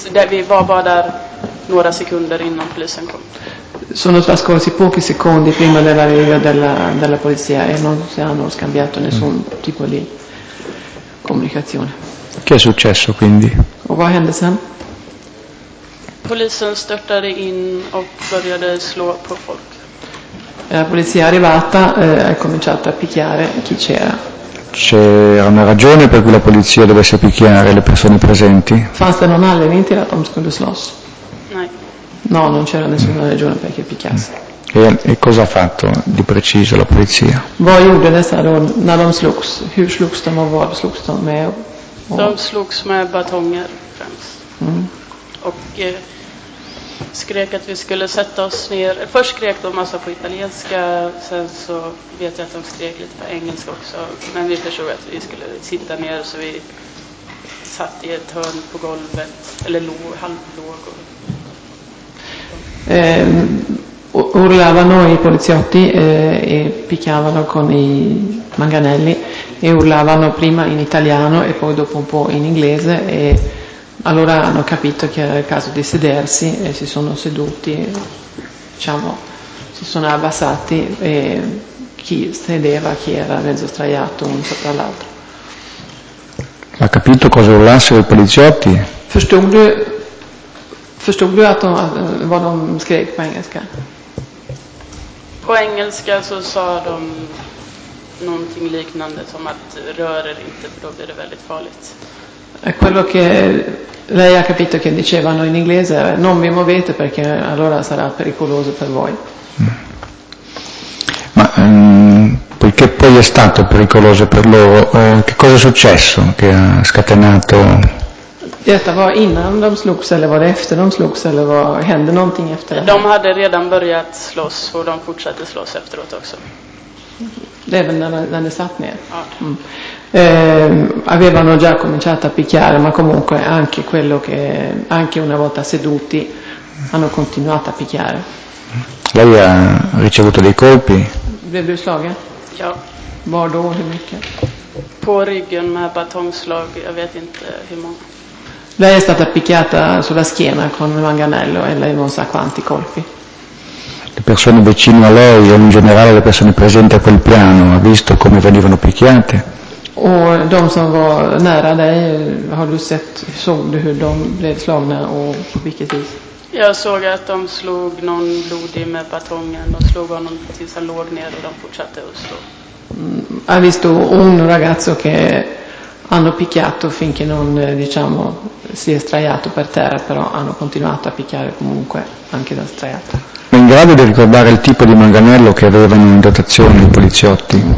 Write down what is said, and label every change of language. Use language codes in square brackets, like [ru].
[sv] vi var bara där några sekunder innan polisen kom. [it] Sono trascorsi pochi secondi prima dell'arrivo della polizia e non si hanno scambiato nessun tipo di comunicazione. Che è successo quindi? [sv] Vad hände sen? Polisen störtade in och började slå på folk. [it] La polizia è arrivata e ha cominciato a picchiare chi c'era. C'era una ragione per cui la polizia dovesse picchiare le persone presenti? Fast non ha le menti la Tomskunde Sloss. No, non c'era nessuna ragione perché picchiasse. E cosa ha fatto di preciso la polizia? [sv] Vad gjorde dessa då när de slogs? Hur slogs de och vad slogs de med? De slogs med batonger främst. Och skrek att vi skulle sätta oss ner. Först skrek de massa på italienska, sen så vet jag att de skrek lite på engelska också. Men vi förstod att vi skulle sitta ner, så vi satt i ett hörn på golvet, eller halvlåg. [it] Urlavano i poliziotti e picchiavano con i manganelli e urlavano prima in italiano e poi dopo un po' in inglese, e allora hanno capito che era il caso di sedersi e si sono seduti, diciamo, si sono abbassati, e chi sedeva, chi era mezzo straiato un sopra l'altro. Ha capito cosa urlassero i poliziotti? [sv] Förstod du att vad de skrek på engelska? På engelska så sa de någonting liknande som att rör er inte, för då blir det väldigt farligt. [it] Quello che lei ha capito che dicevano in inglese era non vi muovete perché allora sarà pericoloso per voi. Ma perché poi è stato pericoloso per loro? Che cosa è successo che ha scatenato? [sv] Detta var innan de slogs, eller var det efter de slogs, eller vad hände någonting efter det? De hade redan börjat slåss och de fortsatte slåss efteråt också. Även när de satt ner? Ja. [it] Avevano già cominciato a picchiare, ma comunque anche quello che anche una volta seduti hanno continuato a picchiare. Lei ha ricevuto dei colpi? [sv] Blev du slagen? Ja. Var då, hur mycket? På ryggen med batongslag, jag vet inte hur många. [it] Lei è stata picchiata sulla schiena con il manganello e lei non sa quanti colpi. Le persone vicine a lei o in generale le persone presenti a quel piano ha visto come venivano picchiate? [sv] O de som var nära dig, har du sett, såg du hur de blev slagna och på vilket vis? Jag såg att de slog någon blodig med batongen och slog honom tills han låg ner och de fortsatte att slå. [it] Ha visto un ragazzo che hanno picchiato finché non, diciamo, si è straiato per terra, però hanno continuato a picchiare comunque anche da straiato. È in grado di ricordare il tipo di manganello che avevano in dotazione i poliziotti?